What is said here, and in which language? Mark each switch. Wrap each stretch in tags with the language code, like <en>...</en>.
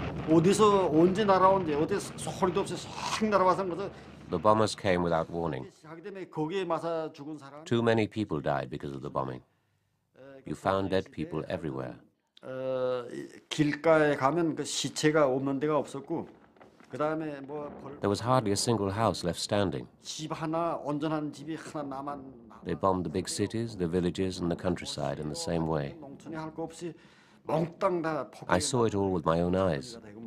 <ko>어디서 언제 날아온지 어디 소리도 없이 싹 날아와서 그래서.</ko> <en>The bombers came without warning. Too many people died because of the bombing. You found dead people everywhere.</en> <ko>길가에 가면 그 시체가 없는 데가 없었고, 그다음에 뭐.</ko> <en>There was hardly a single house left standing.</en> <ko>집 하나 온전한 집이 하나 남았.</ko> <en>They bombed the big cities, the villages, and the countryside in the same way. I saw it all with my own eyes.</en>